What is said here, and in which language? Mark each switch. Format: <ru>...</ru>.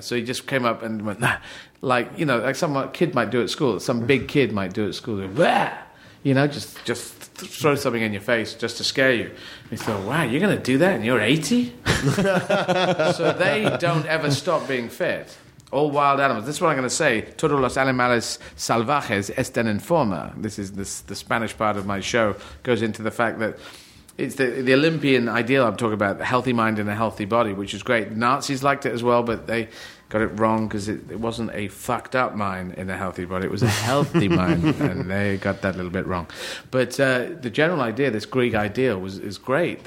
<en>So he just came up and went, nah. Like, you know, like some kid might do at school, some big kid might do at school, blah. you know, just throw something in your face just to scare you. And he thought, wow, you're going to do that and you're 80? So they don't ever stop being fed. All wild animals. This is what I'm going to say.</en> <es>Todos los animales salvajes están en forma.</es> <en>This is the Spanish part of my show. Goes into the fact that it's the Olympian ideal I'm talking about, the healthy mind and a healthy body, which is great. Nazis liked it as well, but they got it wrong because it wasn't a fucked up mind in a healthy body. It was a healthy mind, and they got that little bit wrong. But the general idea, this Greek idea, is great.</en>